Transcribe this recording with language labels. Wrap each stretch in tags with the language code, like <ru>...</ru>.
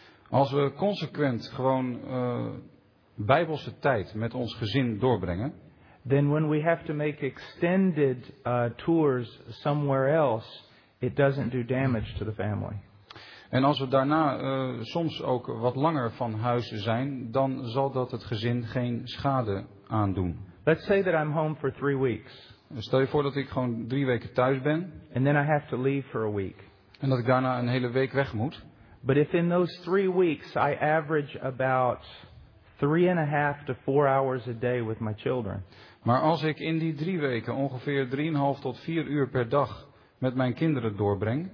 <nl>Als we consequent gewoon Bijbelse tijd met ons gezin doorbrengen.</nl> <en>Then when we have to make extended tours somewhere else, it doesn't do damage to the family.</en> <nl>En als we daarna soms ook wat langer van huis zijn, dan zal dat het gezin geen schade aandoen.</nl> <en>Let's say that I'm home for 3 weeks.</en> <nl>Stel je voor dat ik gewoon 3 weken thuis ben.</nl> <en>And then I have to leave for a week.</en> <nl>En dat ik daarna een hele week weg moet.</nl> <en>But if in those 3 weeks I average about 3.5 to 4 hours a day with my children.</en> <nl>Maar als ik in die 3 weken ongeveer 3.5 tot 4 uur per dag met mijn kinderen doorbreng.</nl>